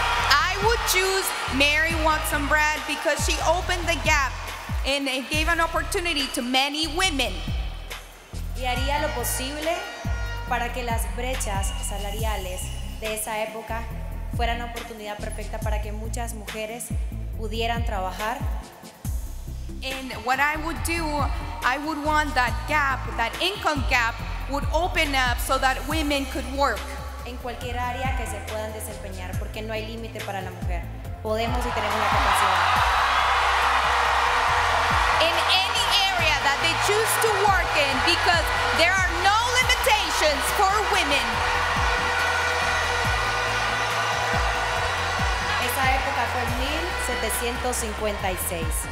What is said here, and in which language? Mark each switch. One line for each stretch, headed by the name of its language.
English: I would choose Mary Wollstonecraft because she opened the gap and it gave an opportunity to many women.
Spanish: Y haría lo posible para que las brechas salariales de esa época fueran una oportunidad perfecta para que muchas mujeres pudieran trabajar.
English: And what I would do, I would want that gap, that income gap, would open up so that women could work.
Spanish: En cualquier área que se puedan desempeñar, porque no hay límite para la mujer. Podemos y tenemos la capacidad.
English: In any area that they choose to work in, because there are no limitations for women.
Spanish: Esa época fue 1756.